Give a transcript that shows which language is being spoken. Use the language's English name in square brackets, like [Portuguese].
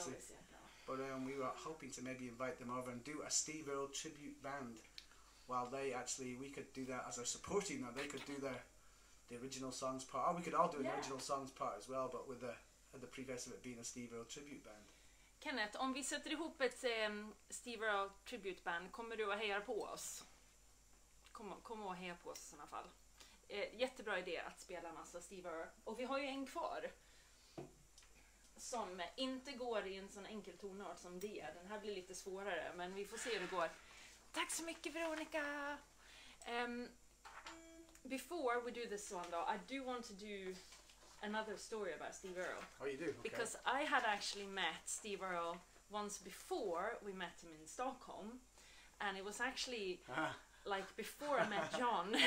[English] actually. This yet, no. But we were hoping to maybe invite them over and do a Steve Earle tribute band while they actually, we could do that as our supporting, or they could do the original songs part. Or we could all do an original songs part as well, but with the preface of it being a Steve Earle tribute band. [Swedish] Kenneth, om vi sätter ihop ett Steve Earle tribute band, kommer du att heja på oss? Kom och heja på oss i såna fall. Jättebra idé att spela massa Steve Earle. Och vi har ju en kvar som inte går i en sån enkel tonart som D. Den här blir lite svårare, men vi får se hur det går. Tack så mycket, Veronica! [English] Before we do this one, though, I do want to do another story about Steve Earle. Oh, you do? Okay. Because I had actually met Steve Earle once before we met him in Stockholm. And it was actually... Like before I met John,